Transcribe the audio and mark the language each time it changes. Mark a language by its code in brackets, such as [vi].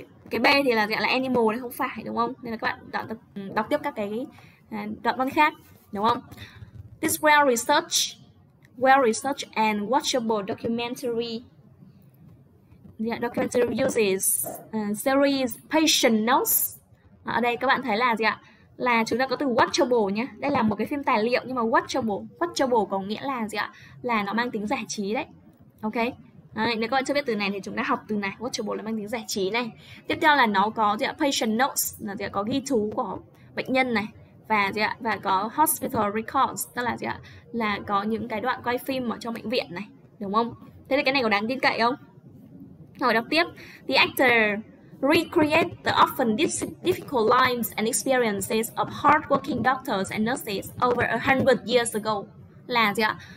[vi] Cái B thì là gọi là animal đấy, không phải đúng không? Nên là các bạn đọc tiếp các cái đoạn văn khác đúng không? [en] This well-researched and watchable documentary uses series patient notes. [vi] Ở đây các bạn thấy là gì ạ? Là chúng ta có từ watchable nhé. Đây là một cái phim tài liệu nhưng mà watchable có nghĩa là gì ạ? Là nó mang tính giải trí đấy. Ok. Đấy, nếu các bạn chưa biết từ này thì chúng ta học từ này. Watchable là mang tính giải trí này. Tiếp theo là nó có gì ạ? Patient notes là gì ạ? Có ghi chú của bệnh nhân này và gì ạ? Và có hospital records tức là gì ạ? Là có những cái đoạn quay phim ở trong bệnh viện này, đúng không? Thế thì cái này có đáng tin cậy không? Rồi đọc tiếp. [en] The actor recreate the often difficult lives and experiences of hardworking doctors and nurses over a hundred years ago [vi] là gì ạ?